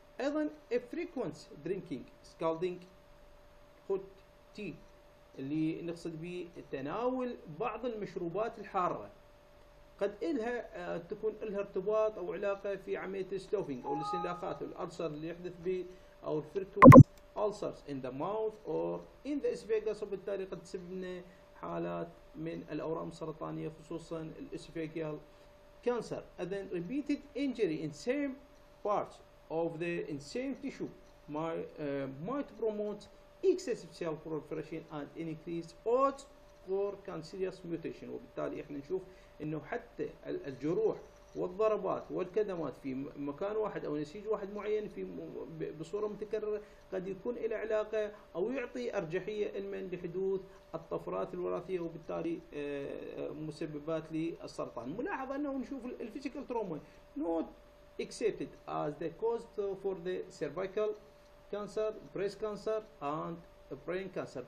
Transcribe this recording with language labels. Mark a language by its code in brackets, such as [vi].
[ar] ايضا [en] a frequent drinking scalding hot tea [ar] اللي نقصد به تناول بعض المشروبات الحاره قد الها تكون لها ارتباط او علاقه في عمليه الستوفينج او الاستنزافات والالسر اللي يحدث به او [en] frequent ulcers in the mouth or in the esophagus، [ar] وبالتالي قد تسبب لنا حالات من الاورام السرطانيه خصوصا الاسفيجيال كانسر. [en] اذن repeated injury in same parts of the insane tissue might promote excessive cell proliferation and increase odds for cancerous mutation. [ar] وبالتالي احنا نشوف انه حتى الجروح والضربات والكدمات في مكان واحد او نسيج واحد معين في بصوره متكرره قد يكون له علاقه او يعطي ارجحيه علما لحدوث الطفرات الوراثيه وبالتالي مسببات للسرطان. ملاحظ انه نشوف [en] الفيزيكال trauma not accepted as the cause for the cervical cancer, breast cancer and brain cancer.